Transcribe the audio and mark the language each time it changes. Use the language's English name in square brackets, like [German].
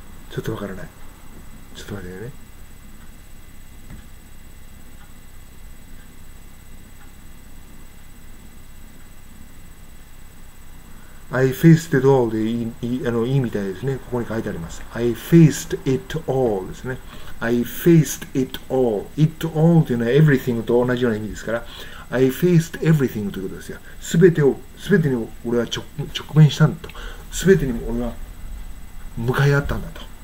[Japanese] ちょっとわからない。ちょっと待ってね。 [English] I faced it all [Japanese] でいいみたいですね。ここに書いてあります。 [English] I faced it all [Japanese] ですね。 [English] I faced it all。 [Japanese] It all というのは everything と同じような意味ですから。 [English] I faced everything [Japanese] ということですよ。すべてに俺は直面したんだと。すべてに俺は向かい合ったんだと。